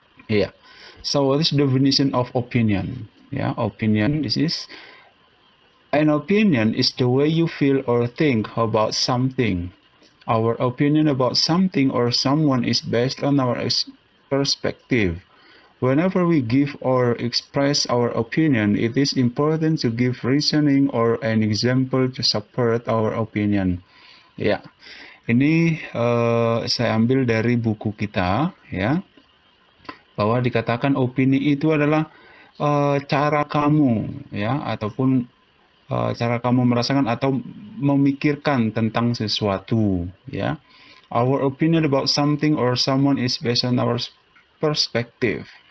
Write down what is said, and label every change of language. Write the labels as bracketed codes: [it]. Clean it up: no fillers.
[en] Yeah, so what is the definition of opinion? Yeah, opinion, this is an opinion is the way you feel or think about something. Our opinion about something or someone is based on our perspective. Whenever we give or express our opinion, it is important to give reasoning or an example to support our opinion. Ya, yeah. [id] Ini saya ambil dari buku kita, ya, yeah. Bahwa dikatakan opini itu adalah cara kamu, ya, yeah, ataupun cara kamu merasakan atau memikirkan tentang sesuatu, ya. [en] Our opinion about something or someone is based on our perspective.